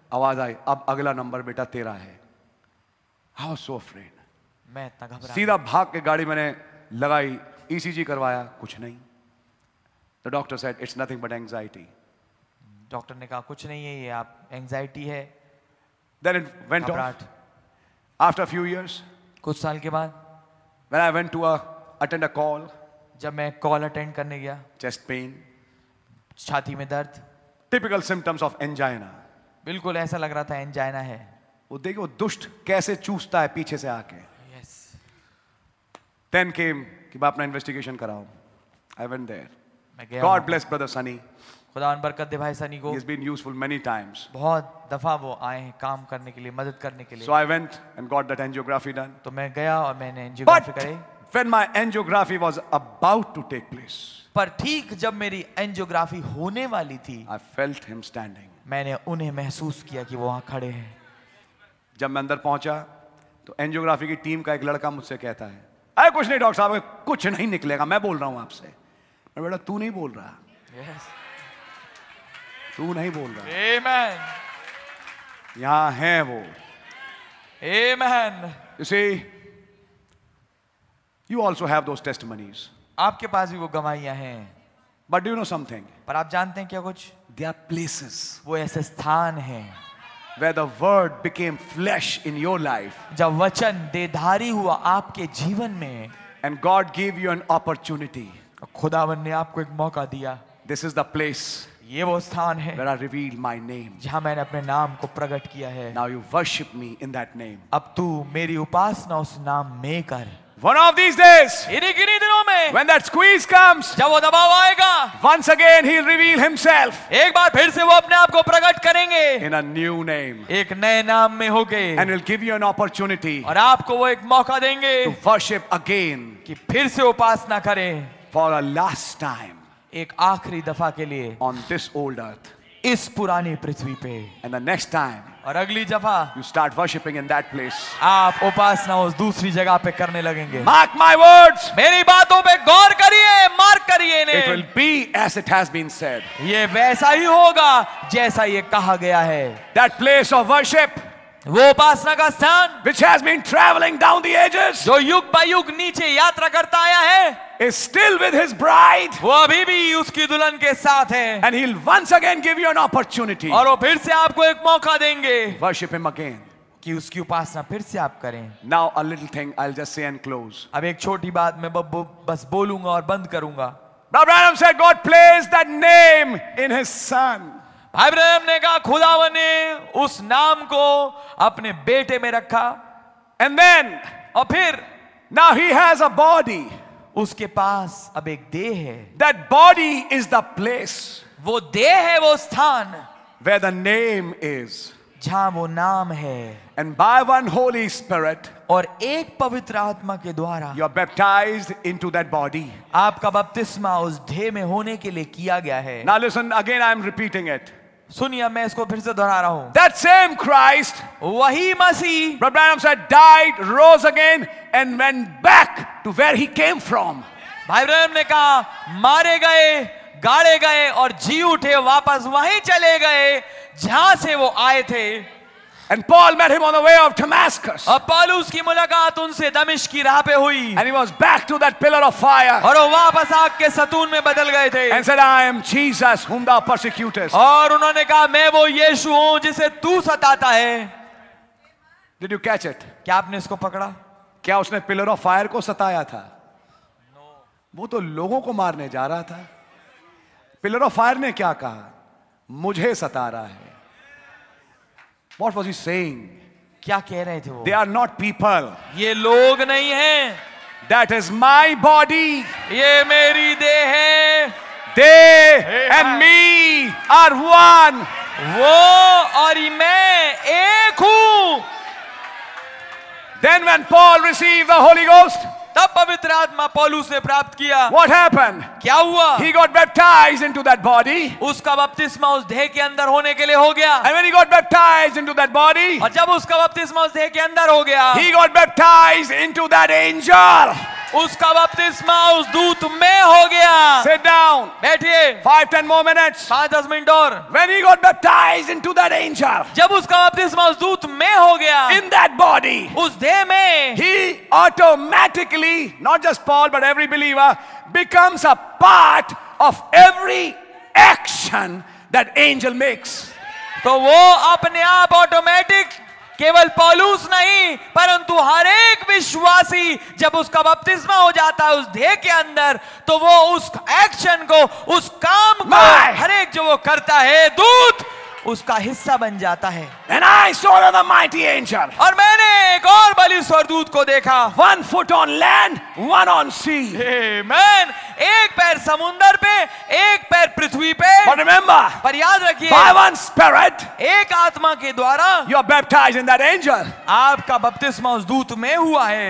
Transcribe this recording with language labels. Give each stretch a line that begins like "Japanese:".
Hindi: आवाज आई अब अगला नंबर बेटा तेरा है.
English: I was so afraid.
Hindi: मैं इतना घबरा. सीधा भाग के गाड़ी मैंने लगाई. ईसीजी करवाया. कुछ नहीं.
English: The doctor said it's nothing but anxiety.
Hindi: Doctor ने कहा कुछ नहीं है ये आप एंग्जाइटी है.
English: Then it went off after few years.
Hindi: कुछ साल के बाद
English: When I went to attend a call.
Hindi: जब मैं कॉल अटेंड करने गया.
English: Chest pain.
Hindi: छाती में दर्द.
English: Typical symptoms of angina.
Hindi: बिल्कुल ऐसा लग रहा था एंजाइना है. वो देखिए वो दुष्ट कैसे चूसता है पीछे से आके.
English: Yes. Then came
Hindi: कि मैं अपना investigation कराऊं.
English: I went there. God bless brother Sunny.
Hindi: खुदा उन बरकत दे भाई सनी को.
English: He's been useful many times.
Hindi: बहुत दफा वो आए हैं काम करने के लिए, मदद करने के लिए.
English: So I went and got that angiography done.
Hindi: तो मैं गया और मैंने एंजियोग्राफी कराई.
English: When my angiography was about to take place,
Hindi: पर ठीक जब मेरी एंजियोग्राफी होने वाली थी,
English: I felt him standing.
Hindi: मैंने उन्हें महसूस किया कि वो वहां खड़े हैं. जब मैं अंदर पहुंचा तो एंजियोग्राफी की टीम का एक लड़का मुझसे कहता है, अरे कुछ नहीं डॉक्टर साहब, कुछ नहीं निकलेगा, मैं बोल रहा हूं आपसे. मैं बेटा तू नहीं बोल रहा.
English: Yes.
Hindi: तू नहीं बोल रहा.
English: Amen.
Hindi: यहां है वो.
English: Amen. You see, you also have those testimonies.
Hindi: आपके पास भी वो गवाहियां हैं.
English: But do you know something?
Hindi: पर आप जानते हैं क्या कुछ?
English: There are places.
Hindi: वो ऐसे स्थान हैं.
English: Where the word became flesh in your life.
Hindi: जब वचन देहधारी हुआ आपके जीवन में.
English: And God gave you an opportunity.
Hindi: खुदावन ने आपको एक मौका दिया.
English: This is the place.
Hindi: ये वो स्थान है.
English: Where I revealed my name.
Hindi: जहां मैंने अपने नाम को प्रकट किया है.
English: Now you worship me in that name.
Hindi: अब तू मेरी उपासना उस नाम में कर.
English: One of these days,
Hindi: इन्हीं दिनों में,
English: when that squeeze comes,
Hindi: जब वो दबाव आएगा,
English: once again he'll reveal himself,
Hindi: एक बार फिर से वो अपने आप को प्रकट करेंगे,
English: in a new name,
Hindi: एक नए नाम में होके,
English: and he'll give you an opportunity,
Hindi: और आपको वो एक मौका देंगे,
English: to worship again,
Hindi: कि फिर से उपासना करें,
English: for a last time,
Hindi: एक आखिरी दफा के लिए,
English: on this old earth,
Hindi: इस पुरानी पृथ्वी पे,
English: and the next time.
Hindi: और अगली दफा
English: you start worshipping in that place,
Hindi: आप उपासना उस दूसरी जगह पे करने लगेंगे.
English: mark my words,
Hindi: मेरी बातों पे गौर करिए, मार्क करिए इन्हें.
English: it will be as it has been said,
Hindi: ये वैसा ही होगा जैसा ये कहा गया है.
English: that place of worship,
Hindi: वो उपासना का स्थान,
English: which has been travelling down the ages,
Hindi: जो युग बाय युग नीचे यात्रा करता आया है,
English: is still with his bride.
Hindi: वो अभी भी उसकी दुल्हन के साथ है.
English: And he'll once again give you an opportunity.
Hindi: और वो फिर से आपको एक मौका देंगे.
English: Worship him again.
Hindi: कि उसकी उपासना फिर से आप करें.
English: Now a little thing I'll just say and close.
Hindi: अब एक छोटी बात मैं बस बोलूंगा और बंद करूंगा.
English: Brother Branham said God placed that name in his son.
Hindi: भाई ब्रह्म ने कहा खुदावन ने उस नाम को अपने बेटे में रखा.
English: And then,
Hindi: और फिर,
English: now he has a body.
Hindi: उसके पास अब एक देह है.
English: That body is the place.
Hindi: वो देह है वो स्थान.
English: Where the name is.
Hindi: जहां वो नाम है.
English: And by one Holy Spirit.
Hindi: और एक पवित्र आत्मा के द्वारा.
English: You are baptized into that body.
Hindi: आपका बपतिस्मा उस देह में होने के लिए किया गया है.
English: Now listen again. I am repeating it.
Hindi: सुनिए मैं इसको फिर से दोहरा रहा हूं.
English: That same Christ.
Hindi: वही मसीह.
English: Brother Branham said died, rose again. And went back to where he came from.
Hindi: भाई ब्रह्म ने कहा मारे गए, गाड़े गए और जी उठे, वापस वहीं चले गए जहां से वो आए थे.
English: And Paul met him on the way of Damascus.
Hindi: और पौलुस की मुलाकात उनसे दमिश्क की राह पे हुई.
English: And he was back to that pillar of fire.
Hindi: और वो वापस आग के सतून में बदल गए थे.
English: And said, I am Jesus whom thou persecutest.
Hindi: और उन्होंने कहा मैं वो यीशु हूं जिसे तू सताता है.
English: Did you catch it?
Hindi: क्या आपने इसको पकड़ा? क्या उसने
English: pillar of fire
Hindi: को सताया था? वो तो लोगों को मारने जा रहा था.
English: pillar of fire
Hindi: ने क्या कहा? मुझे सता रहा है.
English: What was he saying?
Hindi: क्या कह रहे थे वो?
English: They are not people.
Hindi: ये लोग नहीं हैं.
English: That is my body.
Hindi: ये मेरी देह है.
English: They and me are one.
Hindi: वो और मैं एक हूं.
English: Then when Paul received the Holy Ghost,
Hindi: तब पवित्र आत्मा पौलुस ने प्राप्त किया.
English: What happened?
Hindi: क्या हुआ?
English: He got baptized into that body.
Hindi: उसका बपतिस्मा उस देह के अंदर होने के लिए हो गया.
English: And when he got baptized into that body,
Hindi: और जब उसका बपतिस्मा उस देह के अंदर हो गया,
English: he got baptized into that angel.
Hindi: उसका बपतिस्मा उस दूत में हो गया.
English: Sit down.
Hindi: बैठिए.
English: 5-10 more minutes.
Hindi: 5-10 मिनट और.
English: When he got baptized into that angel.
Hindi: जब उसका बपतिस्मा उस दूत में हो गया.
English: In that body.
Hindi: उस देह में.
English: He automatically, not just Paul but every believer, becomes a part of every action that angel makes.
Hindi: तो वो अपने आप ऑटोमेटिक, केवल पौलुस नहीं परंतु हर एक विश्वासी जब उसका बपतिस्मा हो जाता है उस देह के अंदर, तो वो उस एक्शन को, उस काम को, हर एक जो वो करता है, दूत उसका हिस्सा बन जाता है.
English: And I saw another mighty angel.
Hindi: और मैंने एक और बलि स्वर्गदूत को देखा.
English: One foot on land one on sea.
Hindi: आमेन. एक पैर समुंदर पे एक पैर पृथ्वी पे.
English: but remember,
Hindi: पर याद रखिए,
English: by one spirit,
Hindi: एक आत्मा के द्वारा,
English: you are baptised in that angel,
Hindi: आपका बपतिस्मा उस दूत में हुआ है.